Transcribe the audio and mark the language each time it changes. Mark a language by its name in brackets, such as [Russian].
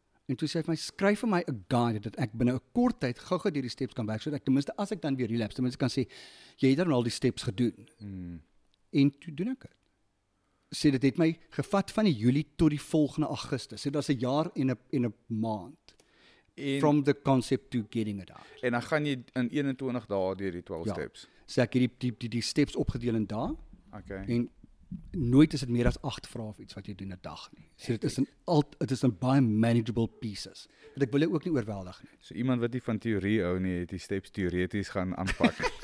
[Afrikaans] En toe sê hy vir my, skryf vir my 'n guide, dat ek binne 'n kort tyd gou-gou deur die steps kan werk, sodat ek ten minste, as ek dan weer relapse, ten minste kan sê, jy het dan al die steps gedoen. Mm. En toe doen ek het. Sê, dit het my gevat van die Julie tot die volgende Augustus. Sê, dit was 'n jaar en 'n maand. En, [English] from the concept to getting it out. [Afrikaans] En dan gaan jy in 21 dae deur die 12 steps. So ek het die steps opgedeel in dae. [English] Okay. [Afrikaans] En nooit is dit meer as 8 vrae of iets wat jy doen in 'n dag nie. So dit is in baie manageable pieces. Want ek wil ook nie oorweldig nie. So iemand wat nie van teorie hou nie, het die steps teoreties gaan aanpak.